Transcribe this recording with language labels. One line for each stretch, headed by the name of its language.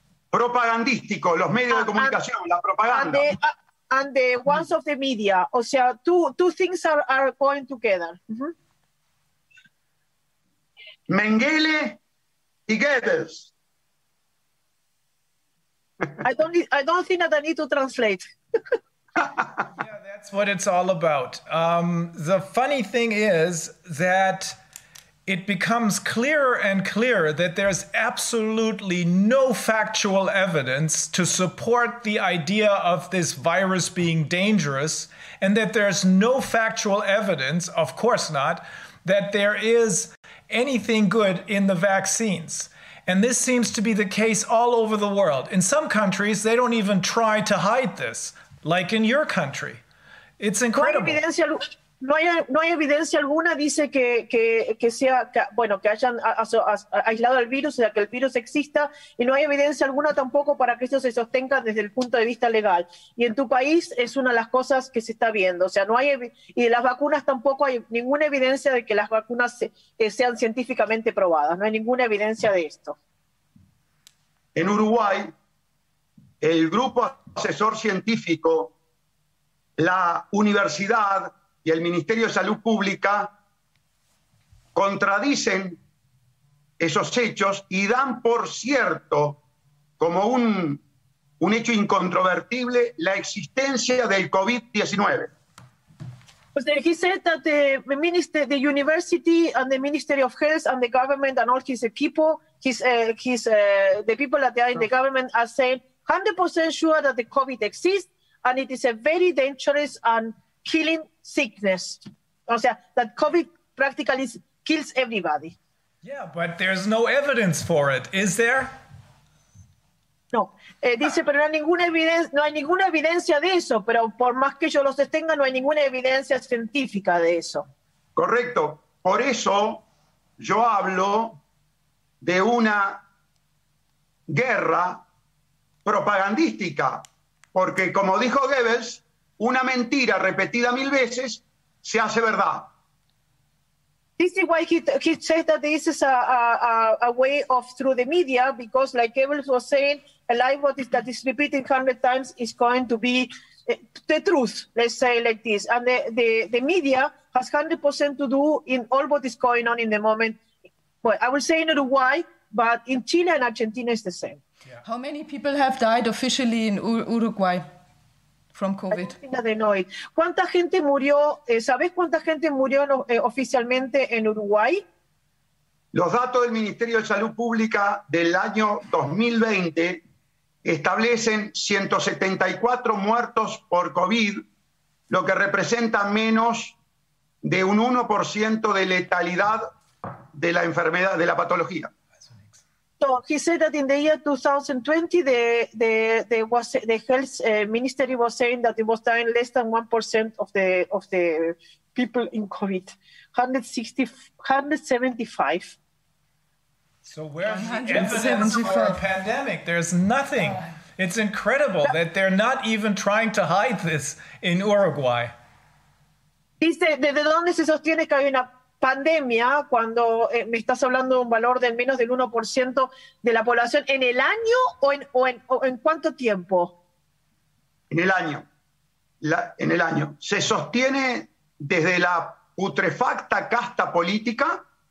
Spanish: Propagandístico, los medios de comunicación, la propaganda.
English: And the ones of the media,
Spanish: o sea,
English: two things are going together. Mm-hmm.
Spanish: Mengele y Goebbels.
English: I don't think that I need to translate. Yeah, that's what it's all about. The funny thing is that it becomes clearer and clearer that there's absolutely no factual evidence to support the idea of this virus being dangerous, and that there's no factual evidence, of course not, that there is anything good in the vaccines. And this seems to be the case all over the world. In some countries, they don't even try to hide this. Like in your country. It's incredible.
Spanish: No hay evidencia alguna, dice que sea, que, bueno, que hayan aislado el virus, o sea, que el virus exista, y no hay evidencia alguna tampoco para que eso se sostenga desde el punto de vista legal. Y en tu país es una de las cosas que se está viendo. O sea, no hay, y de las vacunas tampoco hay ninguna evidencia de que las vacunas sean científicamente probadas. No hay ninguna evidencia de esto. En Uruguay, el grupo asesor científico, la universidad y el Ministerio de Salud Pública contradicen esos hechos y dan por cierto, como un hecho incontrovertible, la existencia del COVID-19.
English: But he said that the minister, the university and the Ministry of Health and the government and all his people, the people that they are in the government are saying 100% sure that the COVID exists and it is a very dangerous and killing sickness.
Spanish: O sea,
English: that COVID practically kills everybody. Yeah, but there's no evidence for it, is there?
Spanish: No. Dice, pero no hay ninguna evidencia de eso, pero por más que yo los tenga, no hay ninguna evidencia científica de eso. Correcto. Por eso yo hablo de una guerra propagandística, porque como dijo Goebbels, una mentira repetida mil veces se hace verdad.
English: This is why he said that this is a way of through the media, because like Goebbels was saying, a lie that is repeated 100 times is going to be the truth, let's say like this. And the media has 100% to do in all what is going on in the moment. Well, I will say in Uruguay, but in Chile and Argentina it's the same. Yeah. How many people have died officially in Uruguay from COVID?
Spanish: ¿Cuánta gente murió? ¿Sabes cuánta gente murió oficialmente en Uruguay? Los datos del Ministerio de Salud Pública del año 2020 establecen 174 muertos por COVID, lo que representa menos de un 1% de letalidad de la enfermedad, de la patología. So he said that in the year 2020, the health ministry was saying that it was dying less than 1% of the people in COVID, 175.
English: So where's the evidence for a pandemic? There's nothing. It's incredible that they're not even trying to hide this in Uruguay.
Spanish: Dice, ¿de dónde se sostiene que hay una pandemia, cuando me estás hablando de un valor del menos del 1% de la población, ¿en el año o en cuánto tiempo? En el año. En el año. Se sostiene desde la putrefacta casta política.